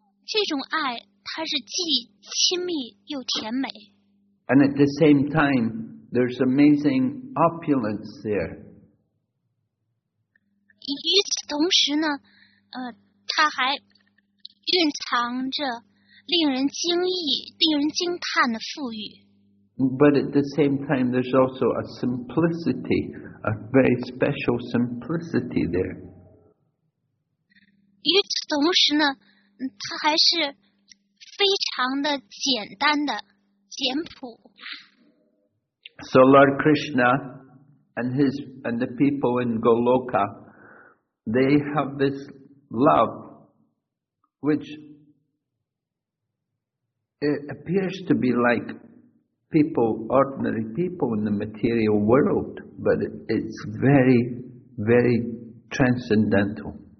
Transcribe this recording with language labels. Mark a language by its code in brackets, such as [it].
[zh] 这种爱，它是既亲密又甜美。 [en] And at the same time, there's amazing opulence there. [zh] 与此同时呢，它还蕴藏着令人惊异、令人惊叹的富裕。 [en] But at the same time, there's also a simplicity, a very special simplicity there. [zh] 与此同时呢，它还是非常的简单的、简朴。 [en] So Lord Krishna and the people in Goloka, they have this love, which it appears to be like people, ordinary people in the material world, but it's very, very transcendental.